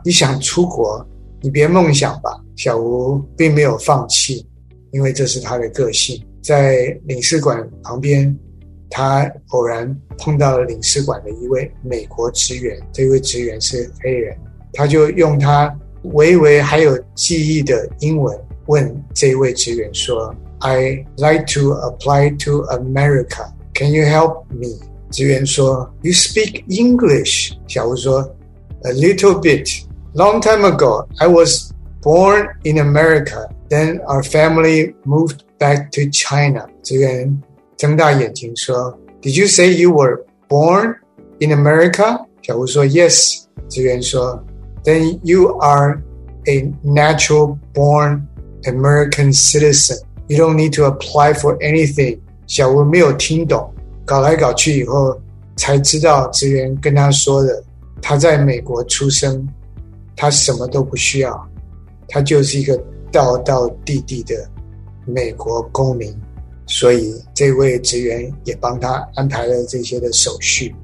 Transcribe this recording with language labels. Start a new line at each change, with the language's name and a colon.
Chinese: 你想出国？你别梦想吧。小吴并没有放弃，因为这是他的个性。在领事馆旁边，他偶然碰到了领事馆的一位美国职员，这位职员是黑人，他就用他微微还有记忆的英文问这位职员说。
English: I like to apply to America. Can you help me?
Chinese: 职员说：“
English: You speak English。”
Chinese: 小吴说：“
English: A little bit. Long time ago, I was Born in America, then our family moved back to China.
Chinese: 这个人睁大眼睛说
English: Did you say you were born in America?
Chinese: 小吴说
English: Yes.
Chinese: 这个人说
English: Then you are a natural born American citizen. You don't need to apply for anything.
Chinese: 小吴没有听懂，搞来搞去以后才知道职员跟他说的，他在美国出生，他什么都不需要，他就是一个道道地地的美国公民，所以这位职员也帮他安排了这些的手续。